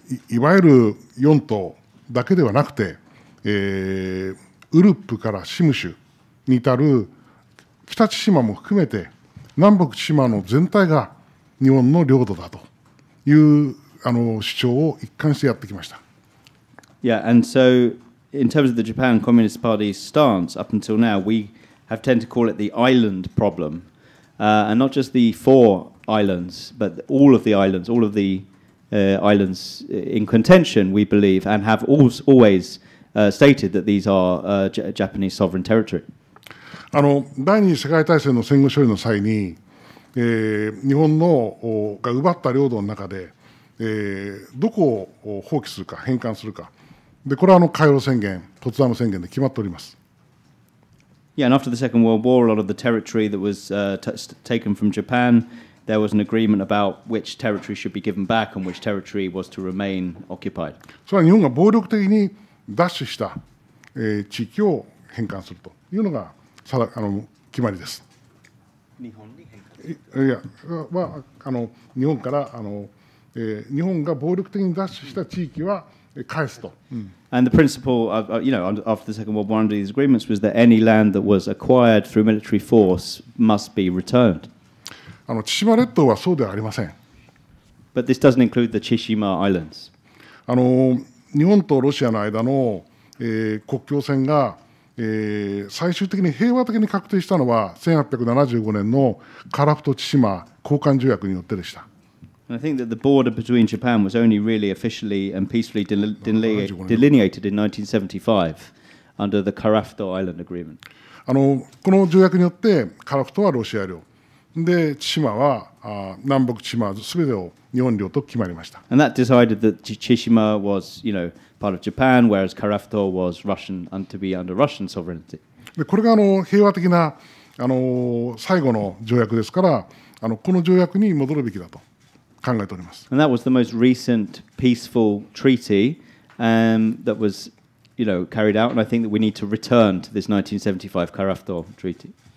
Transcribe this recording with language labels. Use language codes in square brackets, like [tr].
[ja] いわゆる四島だけではなくて、ウルップからシムシュに至る北千島も含めて南北千島の全体が日本の領土だという主張を一貫してやってきました。 [en] Yeah, and so in terms of the Japan Communist Party's stance up until now, we have tend to call it the island problem, And not just the four islands, but all of the islands, all of the islands in contention, we believe, and have always stated that these are Japanese sovereign territory. [ja] 第二次世界大戦の戦後処理の際に、日本のが奪った領土の中で、どこを放棄するか返還するか、でこれはカイロ宣言、ポツダム宣言で決まっております。 [en] Yeah, and after the Second World War, a lot of the territory that was taken from Japan, there was an agreement about which territory should be given back and which territory was to remain occupied. [ja] それは日本が暴力的に奪取した、地域を返還するというのが決まりです。日本に返還。いや、は日本から日本が暴力的に奪取した地域は返すと。 [en] And the principle, of, you know, after the Second World War, under these agreements, was that any land that was acquired through military force must be returned. [ja] Chishima 列島はそうではありません。 [en] But this doesn't include the Chishima Islands. [ja] 日本とロシアの間の、国境線が、最終的に平和的に確定したのは1875年のカラフト千島交換条約によってでした。 [en] And I think that the border between Japan was only really officially and peacefully delineated in 1975 under the Karafto Island Agreement. [ja] この条約によってカラフトはロシア領で、千島は南北千島すべてを日本領と決まりました。 [en] And that decided that Chishima was, you know, part of Japan, whereas Karafto was Russian and to be under Russian sovereignty. [ja] でこれが平和的な最後の条約ですから、この条約に戻るべきだと。 [en] And that was the most recent peaceful treaty that was, you know, carried out. And I think that we need to return to this 1975 Karafto treaty.